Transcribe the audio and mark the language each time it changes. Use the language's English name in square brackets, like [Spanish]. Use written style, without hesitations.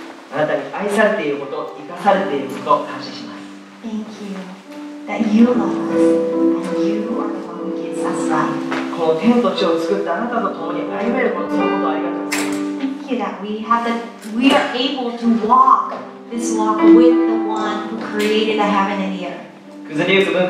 [Japanese] あなたに愛されていること、生かされていることを感謝します。 [English] Thank you that you love us and you are the one who gives us life. [Japanese] この天と地を作ったあなたと共に歩めること、そのことをありがとう。 [English] That we have that we are able to walk this walk with the one who created the heaven and the